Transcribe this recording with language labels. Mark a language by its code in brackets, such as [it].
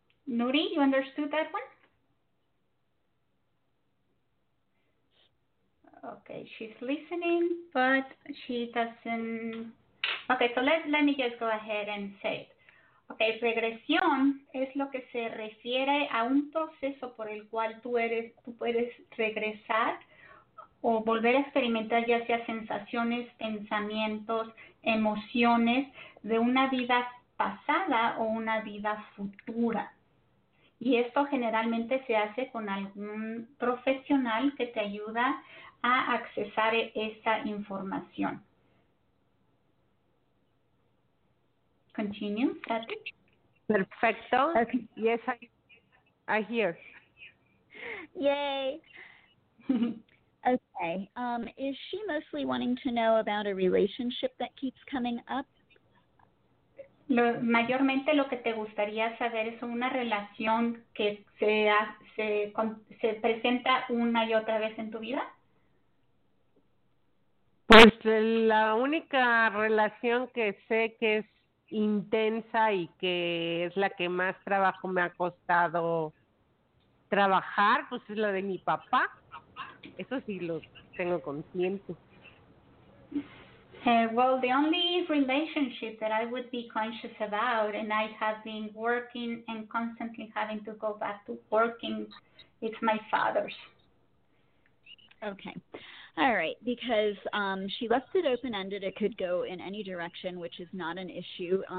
[en] Nuri, you understood that one? Okay, she's listening, but she doesn't... Okay, so let me just go ahead and say it. Okay, [es] regresión es lo que se refiere a un proceso por el cual tú puedes regresar o volver a experimentar ya sea sensaciones, pensamientos, emociones de una vida pasada o una vida futura. Y esto generalmente se hace con algún profesional que te ayuda a accesar esa información. [en] Continue, Sati. [es] Perfecto. [en] Okay. Yes, I hear. Yay. Okay. Is she mostly wanting to know about a relationship that keeps coming up? [es] Mayormente lo que te gustaría saber es una relación que se presenta una y otra vez en tu vida. Pues la única relación que sé que es intensa y que es la que más trabajo me ha costado trabajar, pues es la de mi papá. Eso sí lo tengo consciente. [en] Well, the only relationship that I would be conscious about, and I have been working and constantly having to go back to working, it's my father's. Okay. All right, because she left it open-ended, it could go in any direction, which is not an issue.